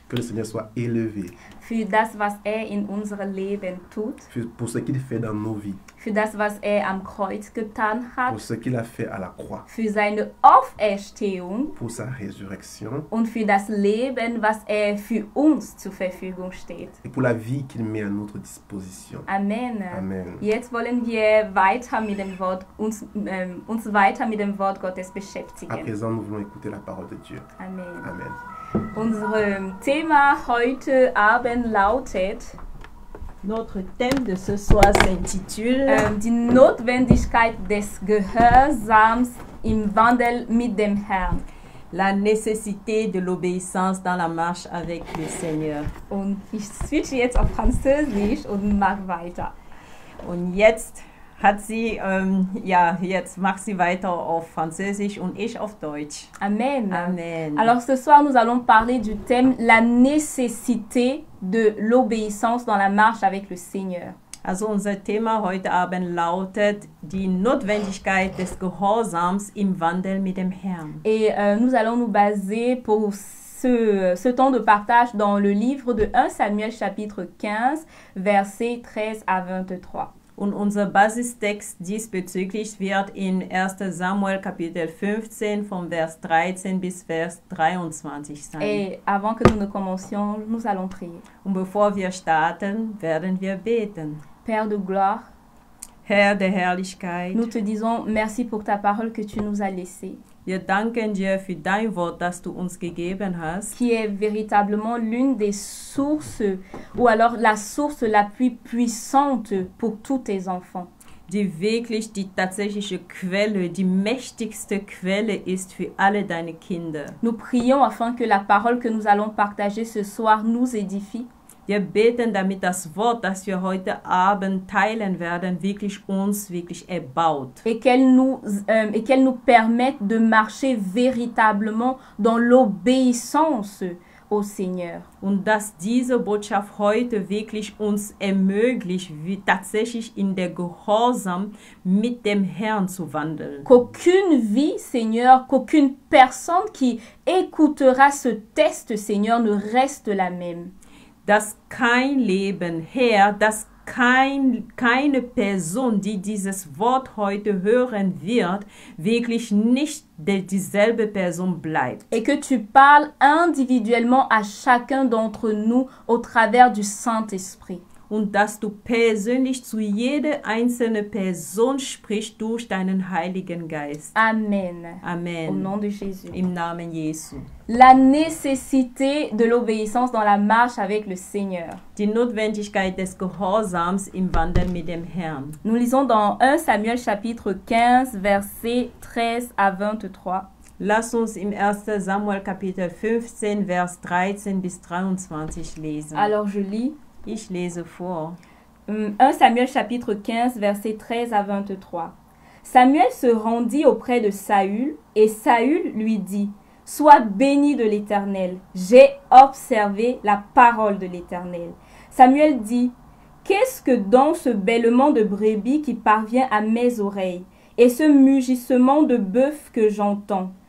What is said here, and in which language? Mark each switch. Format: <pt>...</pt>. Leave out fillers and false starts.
<fr>Que le Seigneur soit élevé.</fr> <de>für das, was in unserem Leben tut.</de> <fr>Pour ce qu'il fait dans nos vies.</fr> <de>Für das, was am Kreuz getan hat.</de> <fr>Pour ce qu'il a fait à la croix.</fr> <de>Für seine Auferstehung.</de> <fr>Pour sa résurrection.</fr> <de>Und für das Leben, was für uns zur Verfügung steht.</de> <fr>Et pour la vie qu'il met à notre disposition.</fr> <de>Amen.</de> <fr>Amen.</fr> <de>Jetzt wollen wir weiter mit dem Wort uns weiter mit dem Wort Gottes beschäftigen.</de> <fr>À présent, nous voulons écouter la parole de Dieu.</fr> <de>Amen.</de> <fr>Amen.</fr> <de>Unser Thema heute Abend lautet.</de> <fr>Notre thème de ce soir s'intitule</fr> <de>Die Notwendigkeit des Gehorsams im Wandel mit dem Herrn.</de> <fr>La nécessité de l'obéissance dans la marche avec le Seigneur.</fr> <de>Und ich switche jetzt auf Französisch und mach weiter. Und jetzt hat sie, jetzt macht sie weiter auf Französisch und ich auf Deutsch. Amen.</de> <fr>Amen. Alors ce soir, nous allons parler du thème « La nécessité de l'obéissance dans la marche avec le Seigneur ».</fr> <de>Also unser Thema heute Abend lautet « Die Notwendigkeit des Gehorsams im Wandel mit dem Herrn ».</de> <fr>Et nous allons nous baser pour ce temps de partage dans le livre de 1 Samuel chapitre 15, versets 13 à 23.</fr> <de>Und unser Basistext diesbezüglich wird in 1. Samuel Kapitel 15 vom Vers 13 bis Vers 23 sein.</de> <fr>Et avant que nous ne commencions, nous allons prier.</fr> <de>Und bevor wir starten, werden wir beten.</de> <fr>Père de gloire,</fr> <de>Herr der Herrlichkeit,</de> <fr>nous te disons merci pour ta parole que tu nous as laissée.</fr> <de>Wir danken dir für dein Wort, das du uns gegeben hast.</de> <fr>Qui est véritablement l'une des sources, ou alors la source la plus puissante pour tous tes enfants.</fr> <de>Die wirklich die tatsächliche Quelle, die mächtigste Quelle ist für alle deine Kinder.</de> <fr>Nous prions afin que la parole que nous allons partager ce soir nous édifie.</fr> <de>Wir beten, damit das Wort, das wir heute Abend teilen werden, wirklich uns wirklich erbaut.</de> <fr>Et qu'elle nous permette de marcher véritablement dans l'obéissance au Seigneur.</fr> <de>Und dass diese Botschaft heute wirklich uns ermöglicht, wie tatsächlich in der Gehorsam mit dem Herrn zu wandeln.</de> <fr>Qu'aucune vie, Seigneur, qu'aucune personne qui écoutera ce test, Seigneur, ne reste la même.</fr> <de>Dass kein Leben, Herr, dass keine Person, die dieses Wort heute hören wird, wirklich nicht dieselbe Person bleibt.</de> <fr>Et que tu parles individuellement à chacun d'entre nous au travers du Saint-Esprit.</fr> <de>Und dass du persönlich zu jeder einzelnen Person sprichst durch deinen Heiligen Geist. Amen.</de> <fr>Amen. Au nom de Jésus.</fr> <de>Im Namen Jesu.</de> <fr>La nécessité de l'obéissance dans la marche avec le Seigneur.</fr> <de>Die Notwendigkeit des Gehorsams im Wandel mit dem Herrn.</de> <fr>Nous lisons dans 1 Samuel chapitre 15, versets 13 à 23.</fr> <de>Lass uns im 1. Samuel Kapitel 15, Vers 13 bis 23 lesen.</de> <fr>Alors je lis.</fr> <de>Ich lese vor.</de> <fr>1 Samuel chapitre 15, versets 13 à 23. Samuel se rendit auprès de Saül et Saül lui dit: sois béni de l'Éternel, j'ai observé la parole de l'Éternel. Samuel dit: qu'est-ce que donc ce bêlement de brebis qui parvient à mes oreilles et ce mugissement de bœuf que j'entends?</fr>